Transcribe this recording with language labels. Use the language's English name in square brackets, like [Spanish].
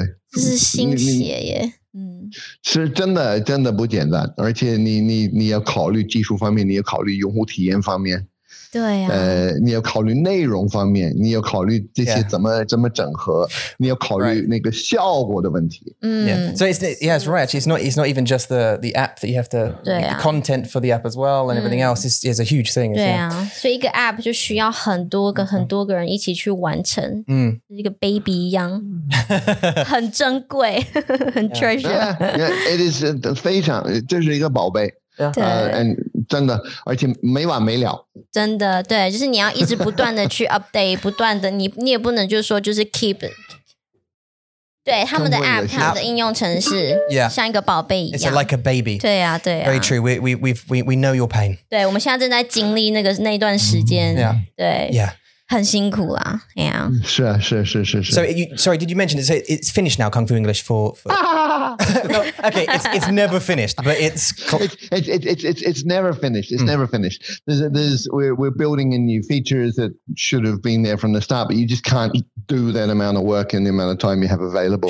[Chinese] 这是新鞋耶，是真的不简单，而且你要考虑技术方面，你要考虑用户体验方面，对呀、你要考虑内容方面，你要考虑这些怎么整合，你要考虑那个效果的问题。 [English] So it's right. It's not even just the app that you have to the content for the app as well and everything else is a huge thing. [Chinese] 对啊，所以一个 app 就需要很多个人一起去完成，一个 baby 一样，很珍贵，很 treasure. [English] Yeah, it is [Chinese] 非常，这是一个宝贝。 [English] Yeah. [Chinese] 真的，而且没完没了。真的，对，就是你要一直不断的去 update， 不断的，你也不能就是说就是 keep。对，他们的 app， 他们的应用程式， [English] yeah. [Chinese] 像一个宝贝一样。 [English] It's like a baby [Chinese] 对、啊。对呀，对呀。 [English] Very true. We know your pain. [Chinese] 对，我们现在正在经历那段时间。 [English] Yeah. [Chinese] 对。 [English] Yeah. [Chinese] 很辛苦啦 yeah. 是啊。 [English] So, did you mention it's finished now, Kung Fu English for... no, okay, it's never finished, but it's... It's never finished. We're building in new features that should have been there from the start, but you just can't do that amount of work in the amount of time you have available.